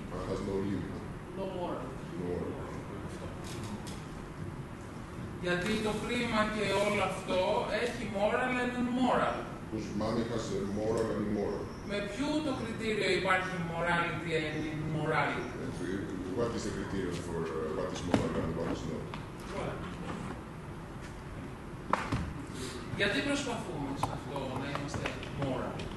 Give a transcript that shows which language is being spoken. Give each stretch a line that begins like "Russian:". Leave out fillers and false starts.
English: But has no limit. No moral. No moral.
Greek: Γιατί το χρήμα και όλο αυτό έχει
English: moral and immoral. Whose money has a moral and immoral.
Greek: Με ποιο το κριτήριο υπάρχει
English: morality and immorality. And what is the criterion for what is moral and what is not.
Greek: Γιατί προσπαθούμε σε αυτό να είμαστε moral.